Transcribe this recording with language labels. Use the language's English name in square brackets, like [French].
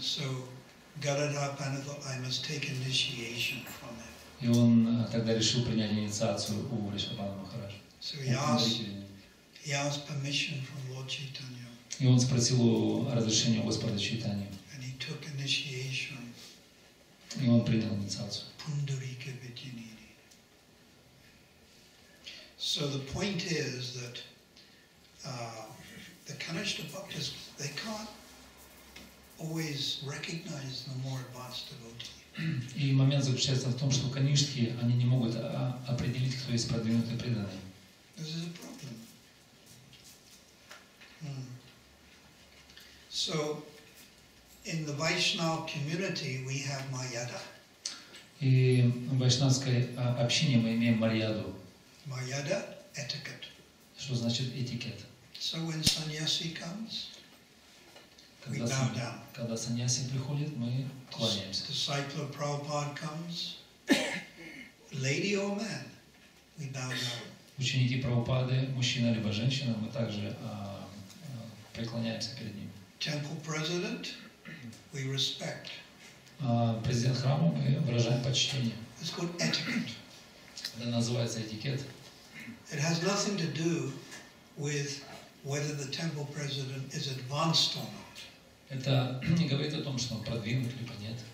[English] So Gadadhar Pandit thought I must take initiation from it. [Russian] И он тогда решил принять инициацию у Ришабана Махараджа. [English] So he asked permission from Lord Chaitanya. [Russian] И он спросил разрешение Господа Чайтаньи. [English] And he took initiation. [Russian] И он принял инициацию. [English] Pundarika Vidyanidhi. So the point is that the Kanishka Bhaktas, they can't always recognize the more advanced devotee. [Russian] И момент заключается в том, что Канишки, они не могут определить, кто есть продвинутый преданный. [English] This is a problem. So, in the Vaishnava community, we have Maryada. [Russian] И в вайшнавской общине мы имеем Марьяду. [English] Maryada etiquette. [Russian] Что значит этикет? [English] So when sannyasi comes, we bow down. [Russian] Когда сannyasi приходит, мы кланяемся. [English] Disciple of Prabhupada comes, lady or man, we bow down. [Russian] Ученики Прабхупады, мужчина либо женщина, мы также преклоняемся перед ним. [English] Temple president, we respect. [Russian] Президент храма, мы выражаем почтение. [English] It's called etiquette. [Russian] Это называется этикет. [English] It has nothing to do with whether the temple president is advanced or not. [Russian] Это не говорит о том, что он продвинут либо нет.